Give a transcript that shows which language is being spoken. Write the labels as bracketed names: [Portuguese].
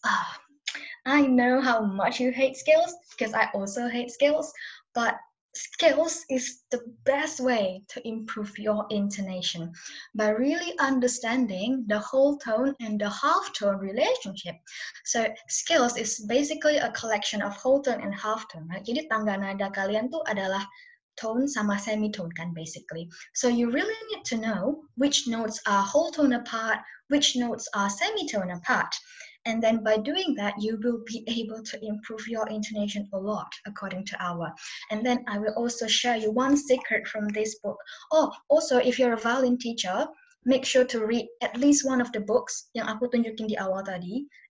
[English] Oh, I know how much you hate scales because I also hate scales, but scales is the best way to improve your intonation by really understanding the whole tone and the half tone relationship. So scales is basically a collection of whole tone and half tone, right? [Indonesian] Jadi tangga nada kalian tuh adalah tone sama semitone kan basically. [English] So you really need to know which notes are whole tone apart, which notes are semitone apart. And then by doing that, you will be able to improve your intonation a lot, according to our. And then I will also share you one secret from this book. Oh, also, if you're a violin teacher, make sure to read at least one of the books [Indonesian] yang aku tunjukin di awal tadi.